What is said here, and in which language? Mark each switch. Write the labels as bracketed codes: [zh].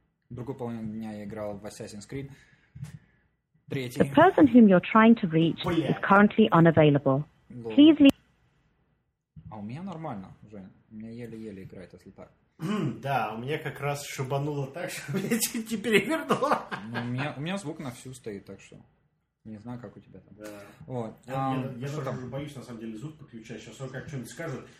[ru] Другую половину дня я играл в Assassin's Creed. Третий. [en] The person whom you're trying to reach is currently unavailable. Please leave. [ru] А у меня нормально, Жень. У меня еле-еле играет, если так. Да, у меня как раз шабануло так, что меня чуть не перевернуло. У меня звук на всю стоит, так что. Не знаю, как у тебя там. Да. Вот. Я уже боюсь, на самом деле, звук подключать. Сейчас он как что-нибудь скажет.